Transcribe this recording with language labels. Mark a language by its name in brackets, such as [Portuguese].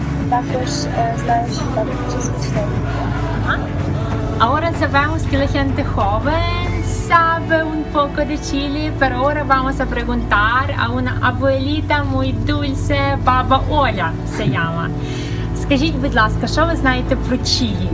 [Ukrainian] Також знаю, що там дуже смішно. [Spanish] Ahora sabemos que la gente joven sabe un poco de Chile, pero ahora vamos a preguntar a una abuelita muy dulce, баба Оля se llama. [Ukrainian] Скажіть, будь ласка, що ви знаєте про Чилі?